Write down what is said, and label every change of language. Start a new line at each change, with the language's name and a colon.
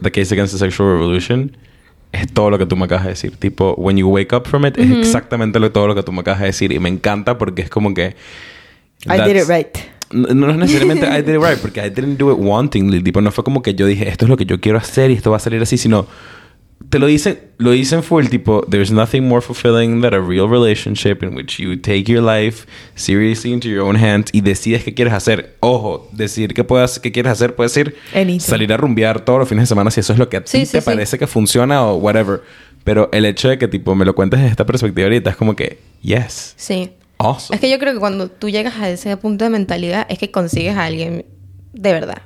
English: The Case Against the Sexual Revolution...
Spanish: Es todo lo que tú me acabas de decir. Tipo,
English: when you wake up from it,
Spanish: es exactamente todo lo que tú me acabas de decir. Y me encanta porque es como que...
English: I did it right.
Spanish: No es necesariamente
English: I did it right,
Spanish: porque
English: I didn't do it wantingly.
Spanish: Tipo, no fue como que yo dije, esto es lo que yo quiero hacer y esto va a salir así. Sino, te lo dicen full, tipo,
English: there's nothing more fulfilling than a real relationship in which you take your life seriously into your own hands
Spanish: y decides qué quieres hacer. Ojo, decir qué quieres hacer puede ser salir a rumbear todos los fines de semana si eso es lo que a ti te parece que funciona o whatever. Pero el hecho de que, tipo, me lo cuentes desde esta perspectiva ahorita es como que, yes. Sí.
English: Awesome.
Spanish: Es que yo creo que cuando tú llegas a ese punto de mentalidad es que consigues a alguien de verdad.